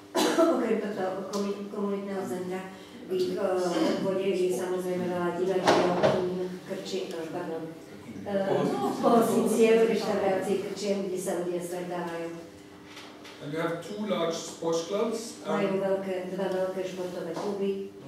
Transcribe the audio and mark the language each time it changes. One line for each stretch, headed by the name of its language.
Slovak: Okrem toho komunitného centra v obvode je samozrejme veľa divadiel, reštaurácií, krčiem, kde sa ľudia stretávajú.
English: And you have two large sports clubs.
Slovak: Majú dva veľké športové kluby.